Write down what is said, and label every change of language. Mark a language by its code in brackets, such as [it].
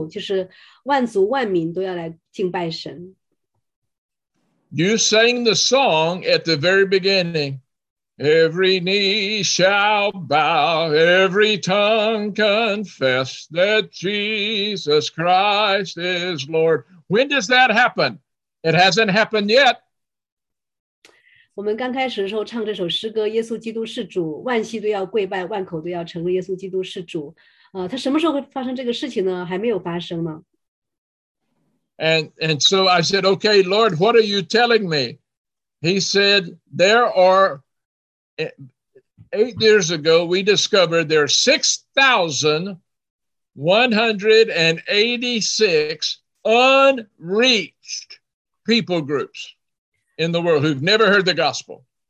[zh] 对，在马太福音24章和后来他带我去看启示录，就是万族万民都要来敬拜神。 [en] You sang the song at the very beginning. Every knee shall bow, every tongue confess that Jesus Christ is Lord. When does that happen? It hasn't happened yet. [zh] 我们刚开始的时候唱这首诗歌，耶稣基督是主，万膝都要跪拜，万口都要成为耶稣基督是主。它什么时候会发生这个事情呢？还没有发生呢。 [en] And so I said, okay, Lord, what are you telling me? He said, there are, 8 years ago, we discovered there are 6,186 unreached people groups in the world who've never heard the gospel.